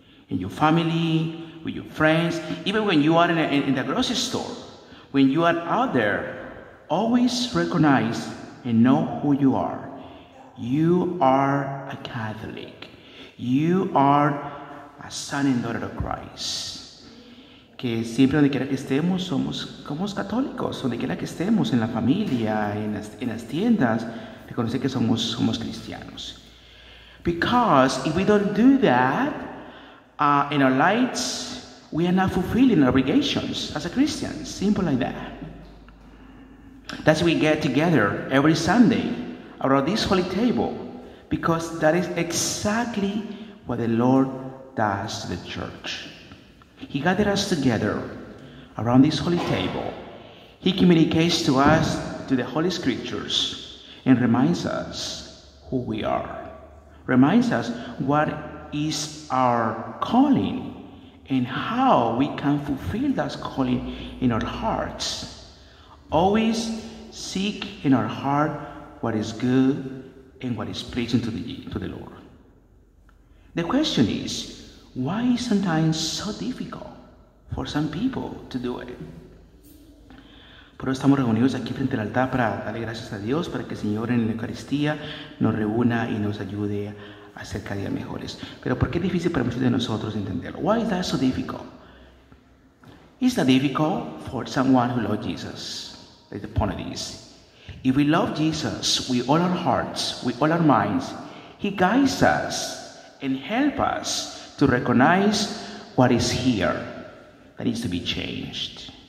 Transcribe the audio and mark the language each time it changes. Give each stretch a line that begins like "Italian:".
English: In your family, with your friends, even when you are in the grocery store, when you are out there, always recognize and know who you are. You are a Catholic. You are a son and daughter of Christ.
Spanish: Que siempre donde quiera que estemos, somos católicos. Donde quiera que estemos, en la familia, en las tiendas, reconocer que somos cristianos.
English: Because if we don't do that, in our lives, we are not fulfilling our obligations as a Christian. Simple like that. That's why we get together every Sunday around this holy table, because that is exactly what the Lord does to the church. He gathered us together around this holy table. He communicates to us through the Holy Scriptures and reminds us who we are, reminds us what is our calling and how we can fulfill that calling in our hearts. Always seek in our heart what is good and what is pleasing to the Lord. The question is, why is sometimes so difficult for some people to do it?
Spanish: Por eso estamos reunidos aquí frente al altar para darle gracias a Dios, para que el Señor en la Eucaristía nos reúna y nos ayude a ser cada día mejores. Pero ¿por qué es difícil para muchos de nosotros entenderlo?
English: Why is that so difficult? Is that difficult for someone who loves Jesus? The point is, if we love Jesus with all our hearts, with all our minds, He guides us and helps us to recognize what is here that needs to be changed.